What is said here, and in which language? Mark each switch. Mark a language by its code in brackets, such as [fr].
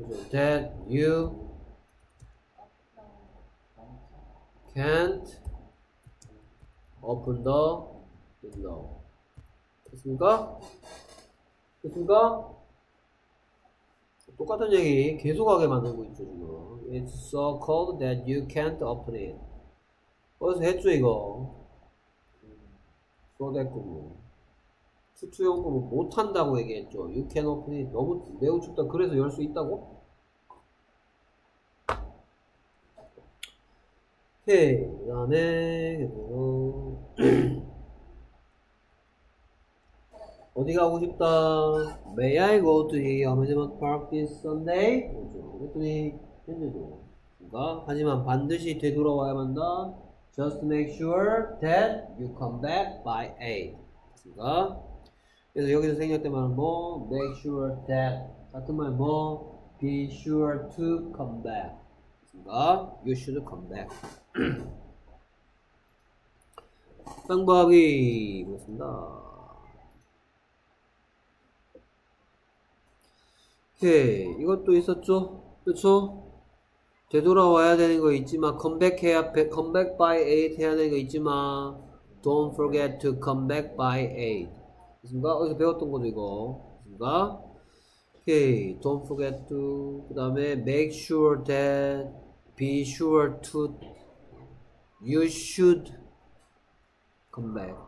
[en] that you can't open the window. [ko] 됐습니까? 됐습니까? 똑같은 얘기 계속하게 만들고 있죠, 지금. [en] It's so cold that you can't open it. [ko] 어디서 했죠, 이거? 쏟았구먼. 수투용 거 못한다고 얘기했죠. [en] You can't open it. [ko] 너무, 매우 춥다. 그래서 열 수 있다고? 오케이. 그 다음에, 그래서. 어디 가고 싶다? [en] May I go to the amusement park this Sunday? [ko] 그렇죠. 그랬더니 했는데도 뭔가? 하지만 반드시 되돌아와야 한다. [en] Just make sure that you come back by 8. [ko] 그렇습니까? 그래서 여기서 생략되면 뭐? [en] Make sure that [ko] 같은 말 뭐? [en] Be sure to come back. [ko] 그렇습니까? [en] You should come back. [ko] 쌍부하기 보겠습니다. 오케이. 이것도 있었죠? 그쵸? 되돌아와야 되는 거 있지만, [en] come back, here, come back by 8 [ko] 해야 되는 거 있지만, [en] don't forget to come back by 8. [ko] 됐습니까? 어디서 배웠던 거죠, 이거? 됐습니까? 오케이. [en] don't forget to, [ko] 그 다음에, [en] make sure that, be sure to, you should come back.